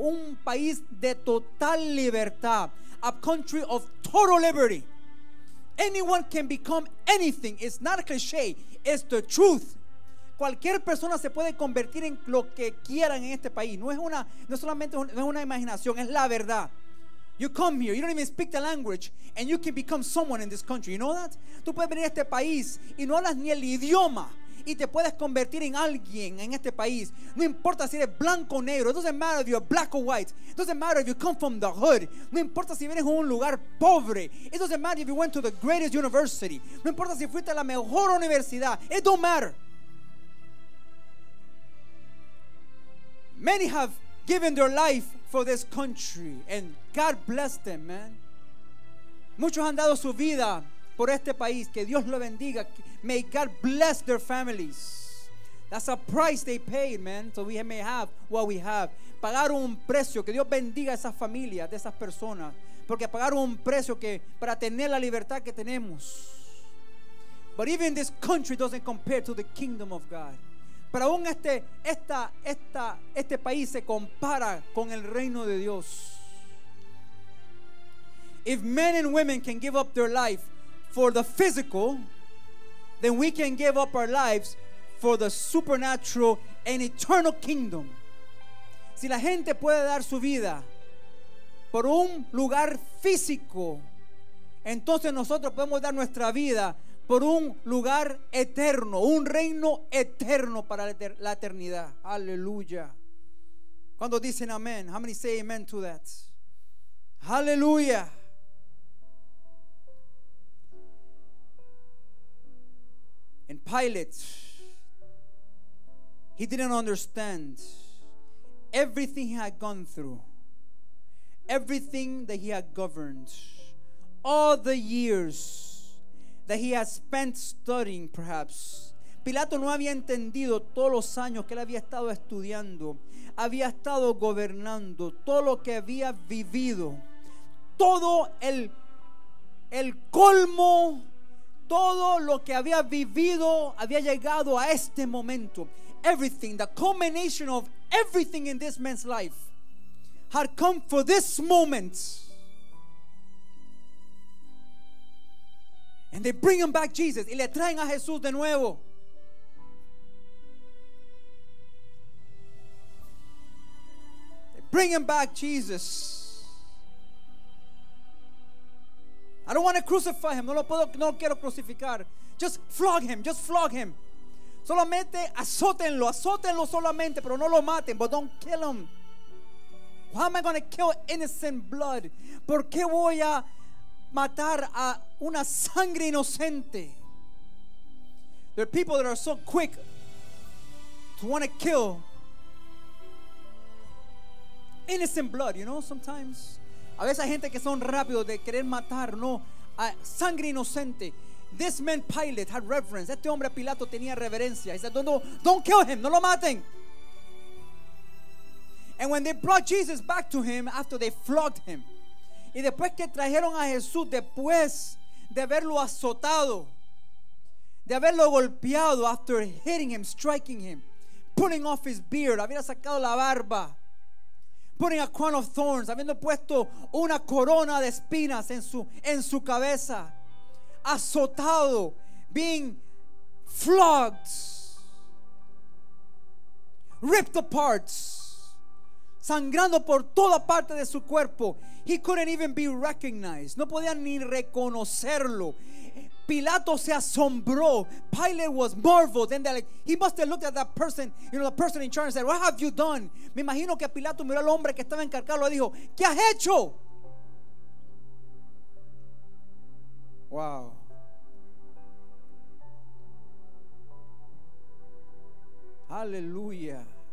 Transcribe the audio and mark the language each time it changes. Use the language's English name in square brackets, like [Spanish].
[Spanish] Un país de total libertad. [English] A country of total liberty. Anyone can become anything. It's not a cliche. It's the truth. [Spanish] Cualquier persona se puede convertir en lo que quieran en este país. No es solamente una imaginación, es la verdad. [English] You come here, you don't even speak the language, and you can become someone in this country. You know that? [Spanish] Tú puedes venir a este país y no hablas ni el idioma y te puedes convertir en alguien en este país. No importa si eres blanco o negro. [English] It doesn't matter if you're black or white. It doesn't matter if you come from the hood. [Spanish] No importa si vienes a un lugar pobre. [English] It doesn't matter if you went to the greatest university. [Spanish] No importa si fuiste a la mejor universidad. [English] It don't matter. Many have given their life for this country, and God bless them, man. [Spanish] Muchos han dado su vida por este país. Que Dios lo bendiga. [English] May God bless their families. That's a price they paid, man, so we may have what we have. [Spanish] Pagaron un precio. Que Dios bendiga a esas familias, de esas personas, porque pagaron un precio que para tener la libertad que tenemos. [English] But even this country doesn't compare to the kingdom of God. [Spanish] Pero aún este país se compara con el reino de Dios. [English] If men and women can give up their life for the physical, then we can give up our lives for the supernatural and eternal kingdom. [Spanish] Si la gente puede dar su vida por un lugar físico, entonces nosotros podemos dar nuestra vida por un lugar eterno, un reino eterno para la eternidad. [English] Aleluya. [Spanish] ¿Cuándo dicen amén? [English] How many say amen to that? Aleluya. And Pilate, he didn't understand everything he had gone through, everything that he had governed, all the years that he had spent studying, perhaps. [Spanish] Pilato no había entendido todos los años que él había estado estudiando, había estado gobernando, todo lo que había vivido, todo el colmo, todo lo que había vivido había llegado a este momento. [English] Everything, the culmination of everything in this man's life had come for this moment. And they bring him back Jesus. [Spanish] Y le traen a Jesús de nuevo. [English] They bring him back Jesus. I don't want to crucify him. [Spanish] No quiero crucificar. [English] Just flog him. Just flog him. [Spanish] Solamente azótenlo. Azótenlo solamente, pero no lo maten. [English] But don't kill him. Why am I going to kill innocent blood? [Spanish] ¿Por qué voy a matar a una sangre inocente? [English] There are people that are so quick to want to kill innocent blood, you know, sometimes. [Spanish] A veces hay gente que son rápidos de querer matar, no, a sangre inocente. [English] This man Pilate had reverence. [Spanish] Este hombre Pilato tenía reverencia. [English] He said, don't kill him, [Spanish] no lo maten. [English] And when they brought Jesus back to him after they flogged him, [Spanish] y después que trajeron a Jesús, después de haberlo azotado, de haberlo golpeado, [English] after hitting him, striking him, pulling off his beard, [Spanish] había sacado la barba, [English] putting a crown of thorns, [Spanish] habiendo puesto una corona de espinas en su cabeza, azotado, [English] being flogged, ripped apart, [Spanish] sangrando por toda parte de su cuerpo. [English] He couldn't even be recognized. [Spanish] No podían ni reconocerlo. Pilato se asombró. [English] Pilate was marveled. And like, he must have looked at that person, you know, the person in charge, and said, "What have you done?" [Spanish] Me imagino que Pilato miró al hombre que estaba encargado y dijo, "¿Qué has hecho?" [English] Wow. Hallelujah.